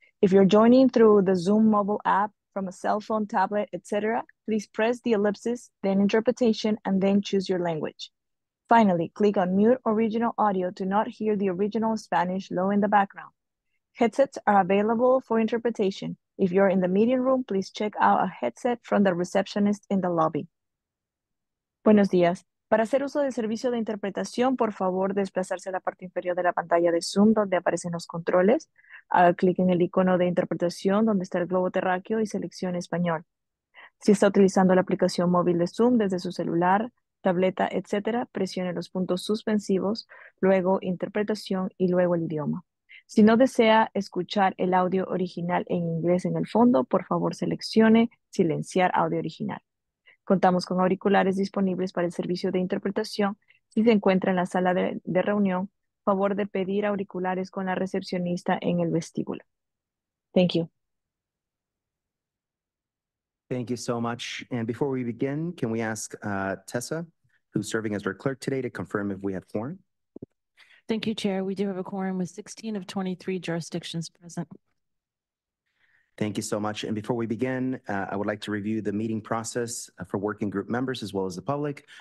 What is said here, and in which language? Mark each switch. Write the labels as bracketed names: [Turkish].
[English] If you're joining through the Zoom mobile app from a cell phone, tablet, etc., please press the ellipsis, then interpretation, and then choose your language. Finally, click on mute original audio to not hear the original Spanish low in the background. Headsets are available for interpretation. If you're in the meeting room, please check out a headset from the receptionist in the lobby. [Spanish] Buenos días. Para hacer uso del servicio de interpretación, por favor, desplazarse a la parte inferior de la pantalla de Zoom donde aparecen los controles. Haga clic en el icono de interpretación donde está el globo terráqueo y seleccione español. Si está utilizando la aplicación móvil de Zoom desde su celular, tableta, etc., presione los puntos suspensivos, luego interpretación y luego el idioma. Si no desea escuchar el audio original en inglés en el fondo, por favor, seleccione silenciar audio original. Contamos con auriculares disponibles para el servicio de interpretación. Si se encuentra en la sala de reunión, favor de pedir auriculares con la recepcionista en el vestíbulo. [English] Thank you. Thank you so much. And before we begin, can we ask Tessa, who's serving as our clerk today, to confirm if we have quorum? Thank you, Chair. We do have a quorum with 16 of 23 jurisdictions present. Thank you so much. And before we begin, I would like to review the meeting process for working group members as well as the public.